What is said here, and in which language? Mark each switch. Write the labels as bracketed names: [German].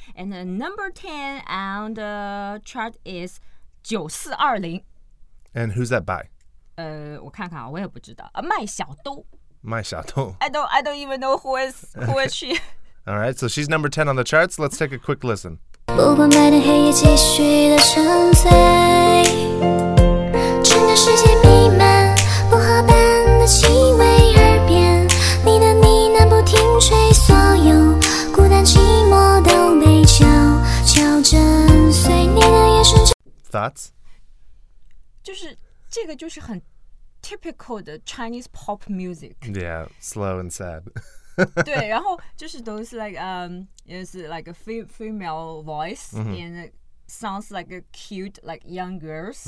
[English] And the number 10 on the chart is 9420. And who's that by? [Chinese] 我看看啊，我也不知道。麦小兜。麦小兜。 [English] I don't even know who is she. All right, so she's number 10 on the charts. Let's take a quick listen. [Chinese] 不管白天黑夜继续的纯粹，整个世界弥漫薄荷般的气味，耳边你的呢喃不停吹，所有孤单寂寞都被悄悄震碎。你的眼神 [English] Thoughts? [Chinese] 就是这个就是很 typical 的 [English] Chinese pop music. Yeah, slow and sad. [Chinese] 对，然后就是都是 [English] like a female voice、mm-hmm. and sounds like a cute like young girls、